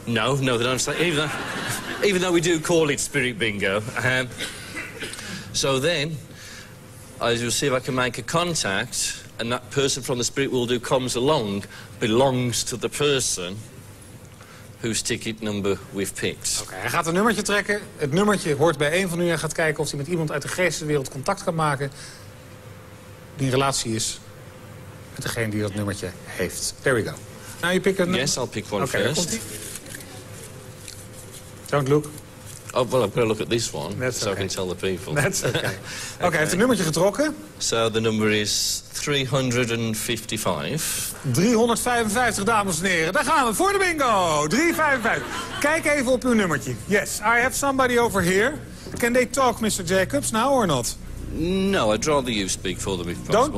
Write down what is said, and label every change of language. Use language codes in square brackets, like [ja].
[en] No, they don't say either. Even though we do call it spirit bingo. So then, I will see if I can make a contact, and that person from the spirit world who comes along belongs to the person whose ticket number we've picked. [nl] Okay, hij gaat een nummertje trekken. Het nummertje hoort bij een van u en gaat kijken of hij met iemand uit de geesteswereld contact kan maken die een relatie is met degene die dat nummertje heeft. [en] There we go. Now you pick a Yes, I'll pick one okay, first. Don't look. Oh, well, I've got to look at this one, That's so okay. I can tell the people. That's okay. [nl] Okay, heeft een nummertje getrokken. [en] So the number is 355. [nl] 355, dames en heren. Daar gaan we, voor de bingo. 355. Kijk even op uw nummertje. [en] Yes, I have somebody over here. Can they talk, Mr. Jacobs, now or not? No, I'd rather you speak for them if possible.